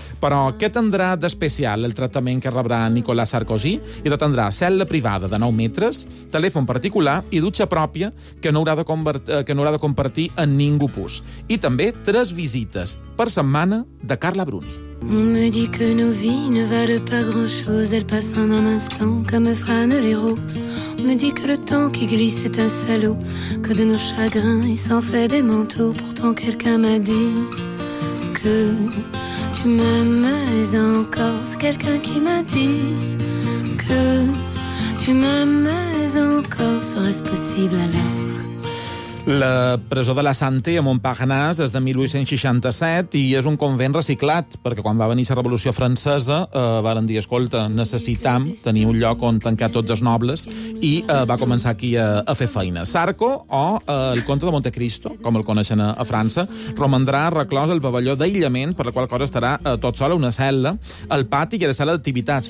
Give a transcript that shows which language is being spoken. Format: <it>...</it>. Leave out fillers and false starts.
<ca>Però què tindrà d'especial el tractament que rebrà Nicolas Sarkozy? I de tindrà cel·la privada de 9 metres, telèfon particular i dutxa pròpia que no haurà de compartir en ningú pus. I també 3 visites per setmana de Carla Bruni.</ca> <fr>On me dit que nos vies ne valent pas grand chose. Elles passent en un instant comme frânent les roses. On me dit que le temps qui glisse est un salaud. Que de nos chagrins il s'en fait des manteaux. Pourtant quelqu'un m'a dit que... Tu m'aimes encore, c'est quelqu'un qui m'a dit que tu m'aimes encore, serait-ce possible alors?</fr> <ca>La presó de la Santé a Montparnasse és de 1867 i és un convent reciclat, perquè quan va venir la Revolució Francesa varen dir, escolta, necessitem tenir un lloc on tancar tots els nobles, i va començar aquí a fer feina. Sarko, o el comte de Montecristo, com el coneixen a França, romandrà reclòs al pavelló d'aïllament, per la qual cosa estarà tot sol a una cel·la, al pati i a la sala d'activitats.</ca>